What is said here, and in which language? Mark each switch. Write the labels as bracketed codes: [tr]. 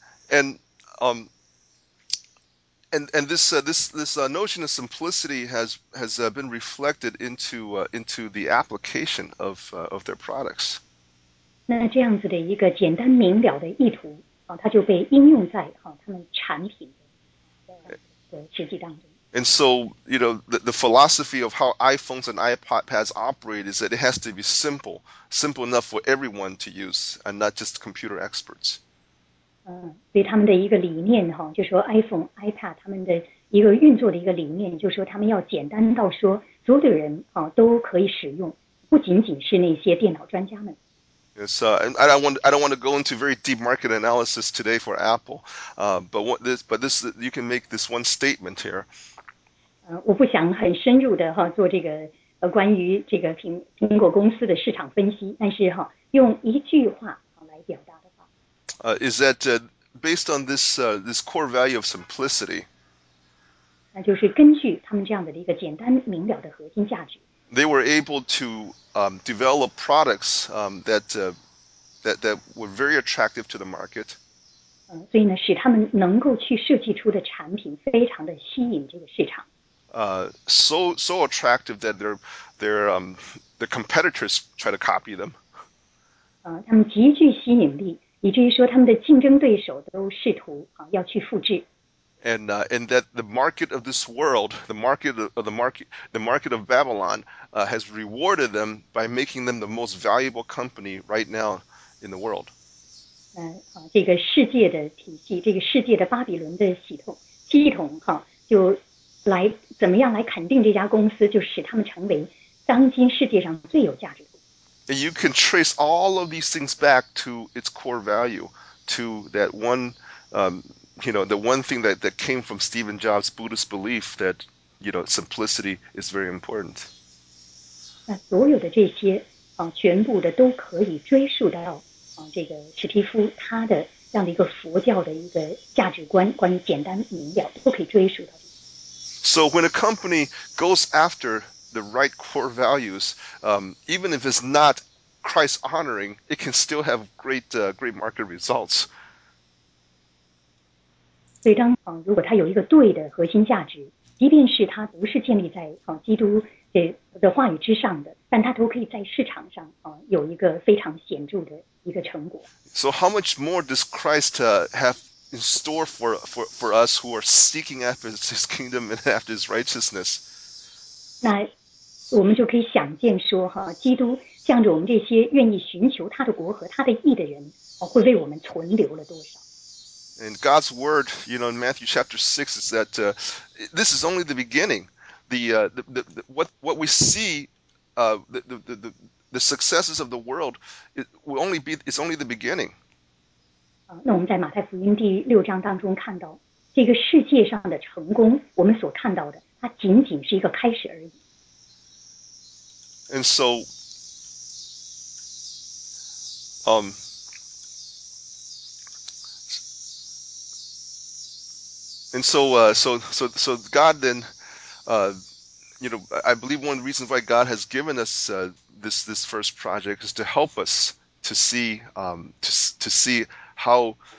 [en] And this notion of simplicity has been reflected into the application of their products. [zh] 那这样子的一个简单明了的意图它就被应用在他们产品的实际当中。 [en] And so, you know, the philosophy of how iPhones and iPads operate is that it has to be simple, simple enough for everyone to use and not just computer experts. [zh] 所以他们的一个理念就说 iPhone, iPad 他们的一个运作的一个理念就是说他们要简单到说所有的人都可以使用，不仅仅是那些电脑专家们。 [en] Yes, and I don't want to go into very deep market analysis today for Apple. But this you can make this one statement here. [zh] 我不想很深入的哈做这个关于这个苹果公司的市场分析，但是哈用一句话来表达的话。 [en] Is that based on this, this core value of simplicity, [zh] 那就是根据他们这样的一个简单明了的核心价值。 [en] They were able to develop products that were very attractive to the market. [zh] 所以呢，使他们能够去设计出的产品非常的吸引这个市场。 [en] So attractive that their competitors try to copy them. [zh] 他们极具吸引力，以至于说他们的竞争对手都试图要去复制。 [en] And that the market of this world, the market of Babylon, has rewarded them by making them the most valuable company right now in the world. [zh] 这个世界的体系，这个世界的巴比伦的系统，哈，就来怎么样来肯定这家公司，就使他们成为当今世界上最有价值的。 [en] And you can trace all of these things back to its core value, to that one, the one thing that came from Stephen Jobs' Buddhist belief that, simplicity is very important. [zh] 那所有的这些全部的都可以追溯到这个史蒂夫他的这样的一个佛教的一个价值观，关于简单明了，都可以追溯到。 [en] So when a company goes after the right core values, even if it's not Christ honoring, it can still have great market results. [zh] 所以当如果它有一个对的核心价值，即便是它不是建立在基督的话语之上的，但它都可以在市场上有一个非常显著的一个成果。 [en] So how much more does Christ have in store for us who are seeking after His kingdom and after His righteousness? [zh] 那我们就可以想见说基督向着我们这些愿意寻求他的国和他的义的人会为我们存留了多少。 [en] And God's word, in Matthew chapter 6, is that this is only the beginning. What we see, the successes of the world, it's only the beginning. [zh] 那我们在马太福音第六章当中看到，这个世界上的成功，我们所看到的，它仅仅是一个开始而已。 [en] And so, So God then, I believe one reason why God has given us this first project is to help us to see how